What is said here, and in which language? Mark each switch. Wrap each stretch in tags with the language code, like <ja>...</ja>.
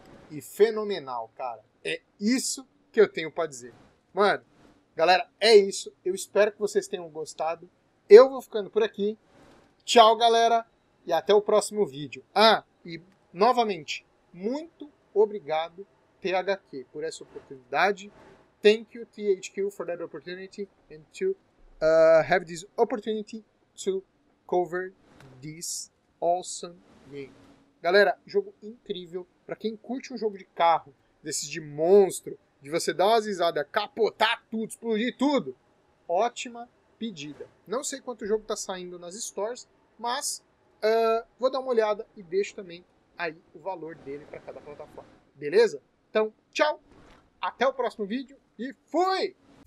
<pt>E fenomenal, cara. É isso que eu tenho para dizer. Mano, galera, é isso. Eu espero que vocês tenham gostado. Eu vou ficando por aqui. Tchau, galera. E até o próximo vídeo. Ah, e novamente, muito obrigado, THQ, por essa oportunidade.</pt> <en>Thank you, THQ, for that opportunity and to have this opportunity to cover this awesome game.</en> <pt>Galera, jogo incrível. Pra quem curte um jogo de carro, desses de monstro, de você dar umas risadas, capotar tudo, explodir tudo, ótima pedida. Não sei quanto o jogo tá saindo nas stores, mas vou dar uma olhada e deixo também aí o valor dele pra cada plataforma. Beleza? Então, tchau! Até o próximo vídeo e fui!</pt>